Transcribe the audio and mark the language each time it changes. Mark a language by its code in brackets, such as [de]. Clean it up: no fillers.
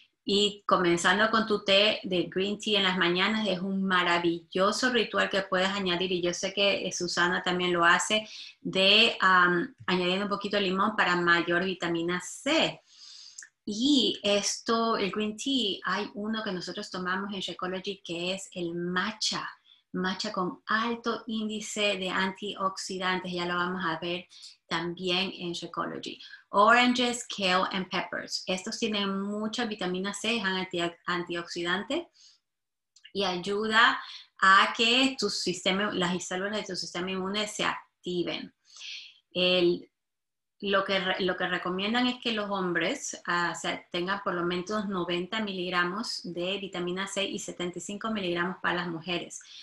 [es] Y comenzando con tu té de green tea en las mañanas, es un maravilloso ritual que puedes añadir, y yo sé que Susana también lo hace, de añadiendo un poquito de limón para mayor vitamina C. Y esto, el green tea, hay uno que nosotros tomamos en Shakeology que es el matcha, matcha con alto índice de antioxidantes, ya lo vamos a ver también en Shakeology. [en] Oranges, kale and peppers. [es] Estos tienen mucha vitamina C, es antioxidante y ayuda a que tu sistema, las células de tu sistema inmune se activen. Lo que recomiendan es que los hombres tengan por lo menos 90 miligramos de vitamina C y 75 miligramos para las mujeres.